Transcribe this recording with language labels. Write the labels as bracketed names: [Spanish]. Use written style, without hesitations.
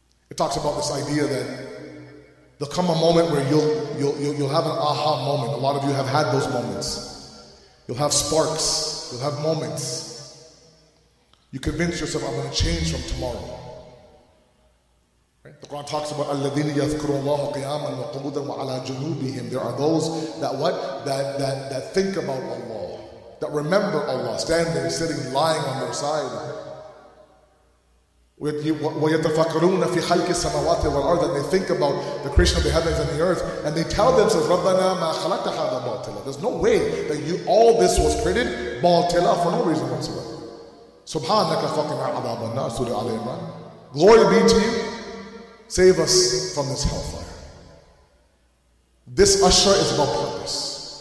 [English] It talks about this idea that there'll come a moment where you'll have an aha moment. A lot of you have had those moments. You'll have sparks. You'll have moments. You convince yourself, I'm going to change from tomorrow. Right? The Quran talks about [Arabic] الَّذِينَ يَذْكُرُوا اللَّهُ قِيَامًا وَقُعُودًا وَعَلَىٰ جُنُوبِهِمْ. [English] There are those that what? That think about Allah. That remember Allah. Standing, sitting, lying on their side. [Arabic] وَيَتَفَكَرُونَ فِي خَلْكِ السَّمَوَاتِ وَالْأَرْضِ. [English] That they think about the creation of the heavens and the earth. And they tell themselves, [Arabic] رَبَّنَا مَا خَلَقْتَ هَذَا بَاطِلًا. [English] There's no way that you all this was created بَاطِلًا for no reason whatsoever. [Arabic] Subhanaka faqina adhab an-nar, [English] Surah Ali Imran. Glory be to you. Save us from this hellfire. This usher is about purpose.